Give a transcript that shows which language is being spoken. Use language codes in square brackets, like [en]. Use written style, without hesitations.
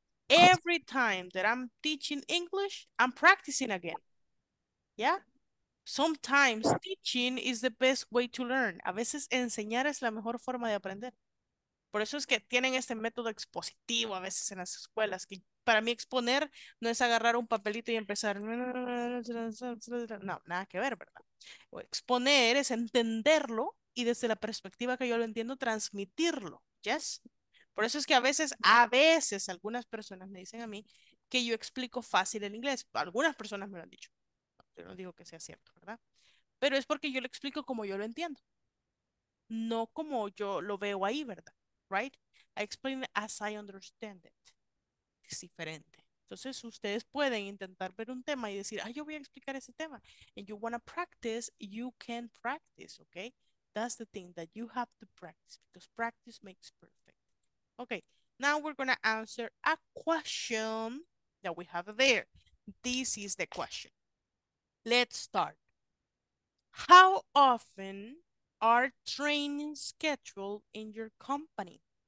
[en] Every time that I'm teaching English, I'm practicing again. Yeah? Sometimes teaching is the best way to learn. [es] A veces enseñar es la mejor forma de aprender. Por eso es que tienen este método expositivo a veces en las escuelas, que para mí exponer no es agarrar un papelito y empezar, no, nada que ver, ¿verdad? O exponer es entenderlo y desde la perspectiva que yo lo entiendo, transmitirlo, ¿yes? Por eso es que a veces algunas personas me dicen a mí que yo explico fácil el inglés. Algunas personas me lo han dicho. Yo no digo que sea cierto, ¿verdad? Pero es porque yo lo explico como yo lo entiendo. No como yo lo veo ahí, ¿verdad? Right? [en] I explain it as I understand it. [es] Es diferente. Entonces, ustedes pueden intentar ver un tema y decir, yo voy a explicar ese tema. [en] And you want to practice, you can practice, okay? That's the thing that you have to practice because practice makes perfect. Okay, now we're going to answer a question that we have there. This is the question. Let's start. How often are training scheduled in your company?